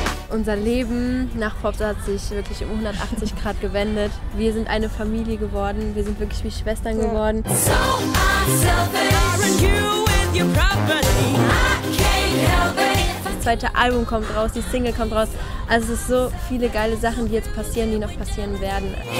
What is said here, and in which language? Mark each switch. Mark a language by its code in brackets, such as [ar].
[de] unser Leben nach Pops hat sich wirklich um 180 Grad gewendet. Wir sind eine Familie geworden, wir sind wirklich wie Schwestern geworden. [en] So unselfish, you with your property. I can't help it. [de] Das zweite Album kommt raus, die Single kommt raus. Also es ist so viele geile Sachen, die jetzt passieren, die noch passieren werden.